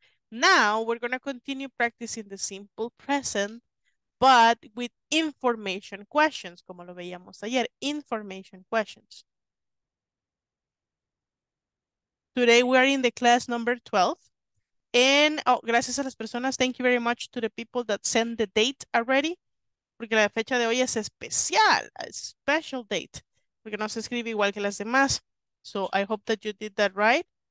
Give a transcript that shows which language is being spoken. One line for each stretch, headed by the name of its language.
English: Now, we're gonna continue practicing the simple present, but with information questions,
Spanish: como lo veíamos ayer,
English: information questions. Today we are in the class number 12. And, oh,
Spanish: gracias a las personas.
English: Thank you very much to the people that sent the date already.
Spanish: Porque la fecha de hoy es especial,
English: a special date.
Spanish: Porque no se escribe igual que las demás.
English: So I hope that you did that right.